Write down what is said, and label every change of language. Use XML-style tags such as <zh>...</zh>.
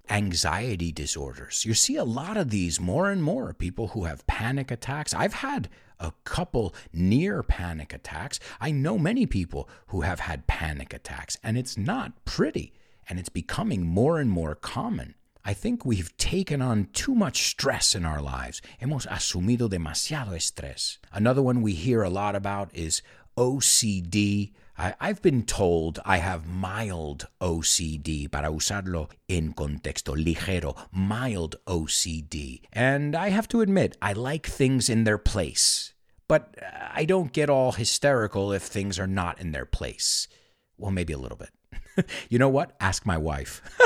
<en>Anxiety disorders. You see a lot of these more and more, people who have panic attacks. I've had a couple near panic attacks. I know many people who have had panic attacks, and it's not pretty, and it's becoming more and more common. I think we've taken on too much stress in our lives.</en> <es>Hemos asumido demasiado estrés.</es> <en>Another one we hear a lot about is OCD. I've been told I have mild OCD,</en> <es>para usarlo en contexto, ligero,</es> <en>mild OCD. And I have to admit, I like things in their place, but I don't get all hysterical if things are not in their place. Well, maybe a little bit. You know what? Ask my wife.</en>